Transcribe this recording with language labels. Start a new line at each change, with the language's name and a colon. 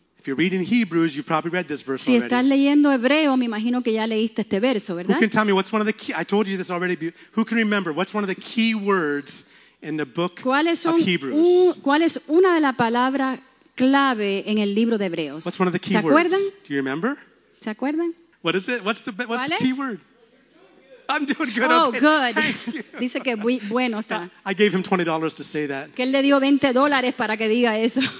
English: If you're reading Hebrews, you probably read this verse
Spanish: si
English: already.
Spanish: Si estás leyendo hebreo, me imagino que ya leíste este verso, ¿verdad?
English: Who can tell me what's one of the key? I told you this already. Who can remember what's one of the key words in the book of Hebrews?
Spanish: ¿Cuál es una de las palabras clave en el libro de Hebreos?
English: What's one of the key
Spanish: ¿se acuerdan?
English: Words? Do you remember?
Spanish: ¿Se acuerdan?
English: What is it? What's the key word? I'm doing good. Oh, okay. Good. Thank you.
Spanish: Dice que bueno está. I gave him $20 to say that. Que él le dio $20 para que diga eso.